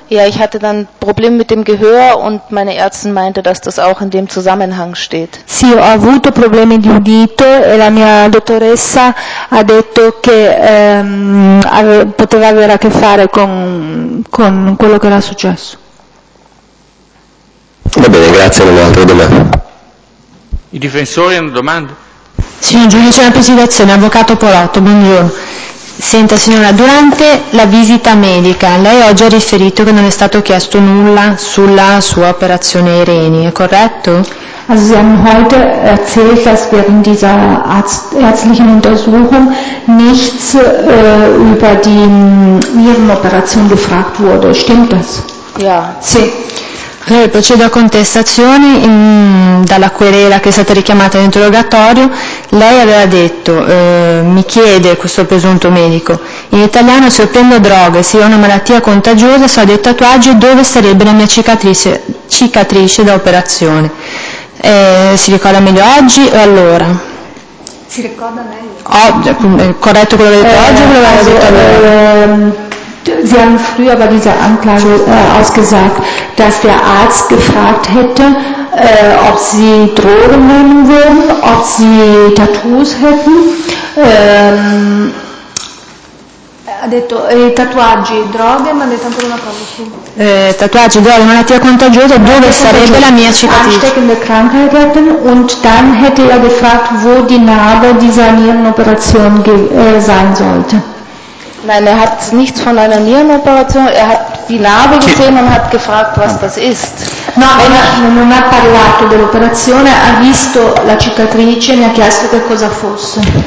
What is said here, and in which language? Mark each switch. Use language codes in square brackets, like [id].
[de] Ja, ich hatte dann Probleme mit dem Gehör und meine Ärztin meinte, dass das auch in dem Zusammenhang steht. [it] Sì, ho avuto problemi di udito e la mia dottoressa ha detto che poteva avere a che fare con quello che era successo. Va bene, grazie, non ho altre domande. I difensori hanno domande? Signor giudice della presidenza, avvocato Porotto, buongiorno. Senta signora, durante la visita medica lei ha già riferito che non è stato chiesto nulla sulla sua operazione ai reni, è corretto? [de] Also sie haben heute erzählt, dass während dieser ärztlichen Untersuchung nichts über die Nierenoperation gefragt wurde, stimmt das? Ja. [it] Sì. Lei procede a contestazioni dalla querela che è stata richiamata in interrogatorio. Lei aveva detto, mi chiede questo presunto medico, in italiano se io prendo droghe, se ho una malattia contagiosa, se ho dei tatuaggi, dove sarebbe la mia cicatrice da operazione? Si ricorda meglio oggi o allora? Si ricorda meglio. Oggi, è corretto quello che ho detto oggi o quello che ho detto allora? [de] Sie haben früher bei dieser Anklage ausgesagt, dass der Arzt gefragt hätte, ob sie Drogen nehmen würden, ob sie Tattoos hätten. [it] Ha detto tatuaggi, droghe, ma ha detto ancora una cosa. Tatuaggi, droghe, malattia contagiosa, dove sarebbe la mia cicatrice? [de] Ansteckende Krankheiten, und dann hätte gefragt, wo die Narbe dieser Nierenoperation sein sollte. Nein, er hat nichts von einer Nierenoperation. Er hat die Narbe gesehen und hat gefragt, was das ist. [it] No, non ha parlato dell'operazione, ha visto la cicatrice e mi ha chiesto che cosa fosse.